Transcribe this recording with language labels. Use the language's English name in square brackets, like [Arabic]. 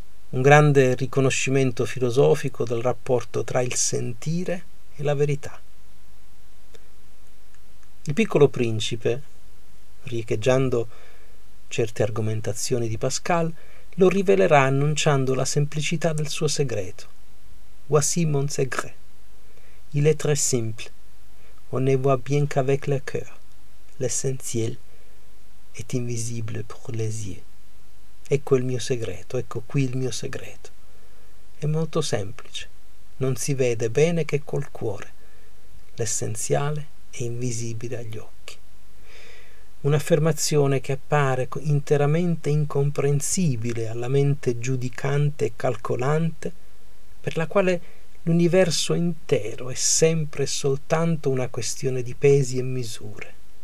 [Italian] Un grande riconoscimento filosofico del rapporto tra il sentire e la verità. Il Piccolo Principe, riecheggiando certe argomentazioni di Pascal, lo rivelerà annunciando la semplicità del suo segreto. [French] Voici mon secret. Il est très simple. On ne voit bien qu'avec le cœur. L'essentiel est invisible pour les yeux. [Italian] Ecco il mio segreto, ecco qui il mio segreto. È molto semplice. Non si vede bene che col cuore. L'essenziale è invisibile agli occhi. Un'affermazione che appare interamente incomprensibile alla mente giudicante e calcolante, per la quale l'universo intero è sempre e soltanto una questione di pesi e misure.